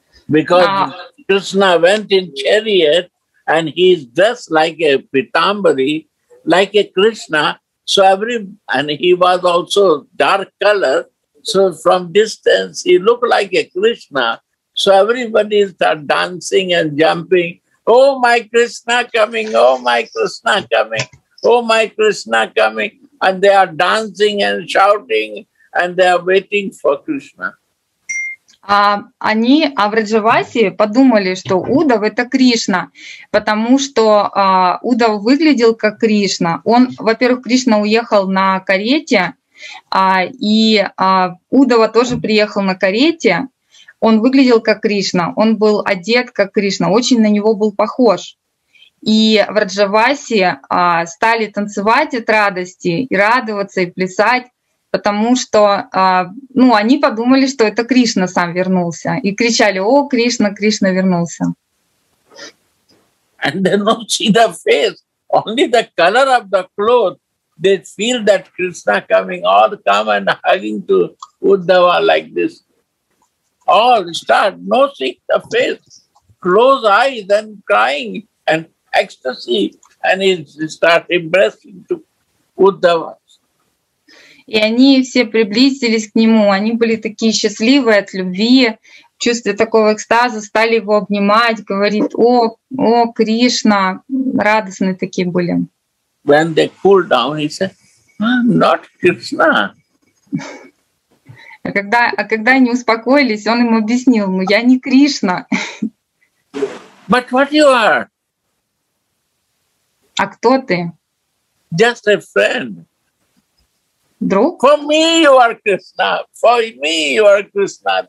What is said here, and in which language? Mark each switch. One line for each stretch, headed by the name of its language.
English: Because Krishna went in chariot, and he is dressed like a Pitambari, like a Krishna, and he was also dark color, so from distance he looked like a Krishna. So everybody started dancing and jumping, oh my Krishna coming, oh my Krishna coming. Oh my Krishna coming, and they are dancing and shouting, and they are waiting for Krishna.
Russian: Они в Раджавасе подумали, что Удав это Кришна, потому что Удав выглядел как Кришна. Он, во-первых, Кришна уехал на карете, и Удава тоже приехал на карете. Он выглядел как Кришна, он был одет как Кришна, очень на него был похож. И в Раджаваси стали танцевать от радости, и радоваться, и плясать, потому что они подумали, что это Кришна сам вернулся. И кричали, о, Кришна, Кришна вернулся.
English: And they don't see the face, only the color of the clothes. they feel that Krishna coming, all come and hugging to Uddhava like this. All start, no seek the face, close eyes and crying and ecstasy, and he start embracing to Uddhava.
Russian: И они все приблизились к нему, они были такие счастливые от любви, чувства такого экстаза, стали его обнимать, говорит: «О, о, Кришна!» Радостные такие были.
English: When they cool down, he said, not Krishna.
Russian: А когда они успокоились, он им объяснил: «Ну, я не Кришна».
English: But what you are?
Russian: А кто ты?
English: Just a friend.
Russian: Друг?
English: For me you are Krishna. For me you are Krishna.